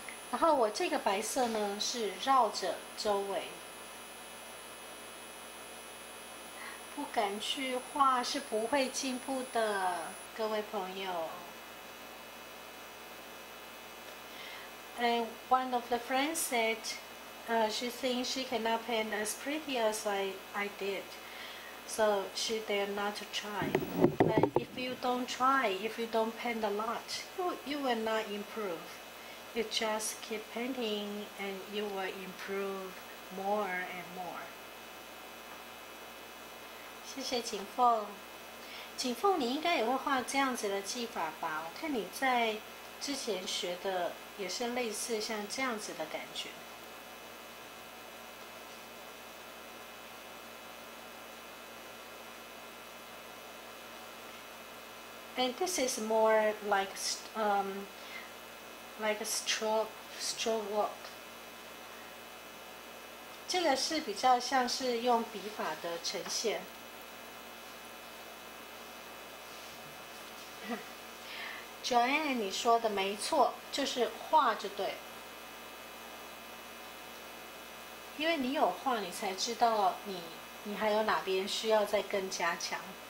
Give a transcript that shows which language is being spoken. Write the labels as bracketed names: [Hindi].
[Chinese] 然后我这个白色呢是绕着周围。不敢去画是不会进步的，各位朋友。 [English] And one of the friends said, she thinks she cannot paint as pretty as I did, so she dare not to try. But if you don't try, if you don't paint a lot, you will not improve. You just keep painting and you will improve more and more. [Chinese] 谢谢锦凤，锦凤，你应该也会画这样子的技法吧？我看你在之前学的也是类似像这样子的感觉。 [English] And this is more like a stroke work. [Chinese] 这个是比较像是用笔法的呈现。 Joanne， 你说的没错，就是画就对，因为你有画，你才知道你还有哪边需要再更加强。